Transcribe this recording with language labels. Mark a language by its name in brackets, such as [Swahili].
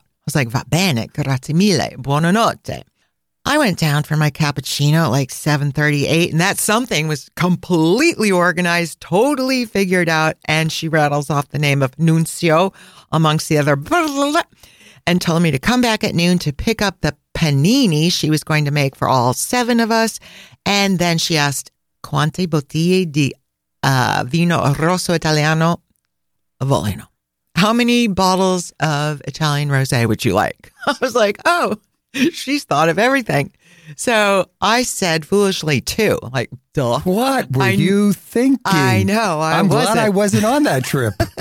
[English] I was like, [Italian] va bene, grazie mille, buonanotte. [English] I went down for my cappuccino at like 7:38, and that something was completely organized, totally figured out, and she rattles off the name of Nuncio amongst the other blah, blah, blah, and told me to come back at noon to pick up the panini she was going to make for all seven of us. [Italian] And then she asked, quante bottiglie di vino rosso italiano vogliono? [English] How many bottles of Italian rosé would you like? I was like, oh, she's thought of everything. So I said foolishly, too, like, duh. What were you thinking? I know. I'm glad I wasn't on that trip.